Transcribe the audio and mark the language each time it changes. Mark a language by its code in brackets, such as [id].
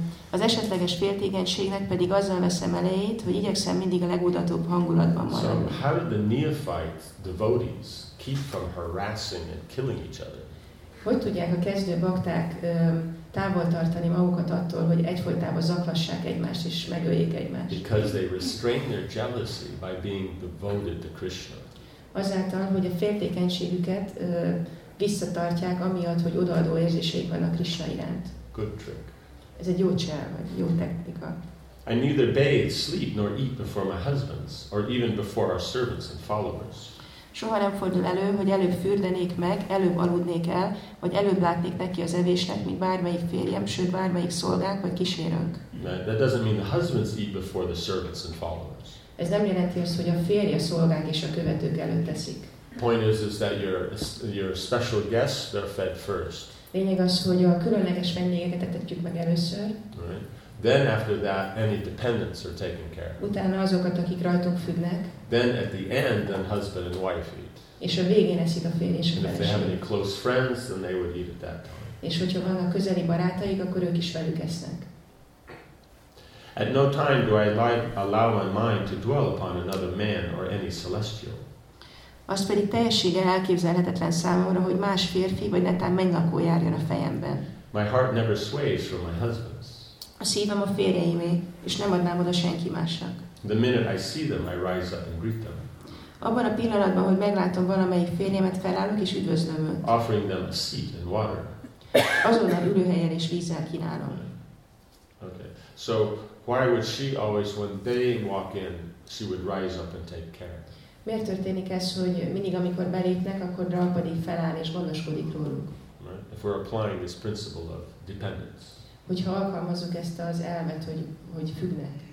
[hu] Az esetleges féltékenységnek pedig azzal veszem elejét, hogy igyekszem mindig a legudatóbb hangulatban maradni. [en] So how did the neophyte devotees keep from harassing and killing each other? [hu] Hogy tudják a kezdő bakták távol tartani magukat attól, hogy egyfolytában zaklassák egymást és megöljék egymást? [en] Because they restrain their jealousy by being devoted to Krishna. [hu] Azáltal, hogy a féltékenységüket visszatartják, amiatt, hogy odaadó érzéseik vannak Krishna iránt. [en] Good trick. [hu] Ez egy jó csel, vagy jó technika. [en] I neither bathe, sleep, nor eat before my husbands, or even before our servants and followers. [hu] Soha nem fordul elő, hogy előbb fürdenék meg, előbb aludnék el, vagy előbb látnék neki az evésnek, mint bármelyik férjem, sőt, bármelyik szolgák, vagy kísérőnk. [en] That doesn't mean the husbands eat before the servants and followers. [hu] Ez nem jelenti azt, hogy a férj, a szolgák és a követők előtt teszik. [en] Point is that your special guests they're fed first. [hu] Lényeg az, hogy a különleges vendégeket etetjük meg először. [en] Right. Then after that, any dependents are taken care of. [hu] Utána azokat, akik rajtunk függnek. [en] Then at the end, then husband and wife eat. [hu] És a végén eszik a férj és a feleség. [en] If they have any close friends, then they would eat at that time. [hu] És hogyha vannak közeli barátaik, akkor ők is velük esznek. [en] At no time do I allow my mind to dwell upon another man or any celestial. [hu] Azt pedig teljességgel elképzelhetetlen számomra, hogy más férfi vagy netán mennylakó járjon a fejemben. [en] My heart never sways from my husband's. [hu] A szívem a férjeimé, és nem adnám oda senki másnak. [en] The minute I see them, I rise up and greet them. [hu] Abban a pillanatban, hogy meglátom valamelyik férjemet, felállok és üdvözlöm őt. [en] Offering them a seat and water. [hu] Azonnal ülőhelyen és vízzel kínálom. [en] Okay. So why would she always, when they walk in, she would rise up and take care? [hu] Miért történik ez, hogy mindig, amikor belépnek, akkor Draupadi feláll és gondoskodik róluk? [en] If we're applying this principle of dependence. [hu] Hogyha alkalmazunk ezt az elvet, hogy függnek.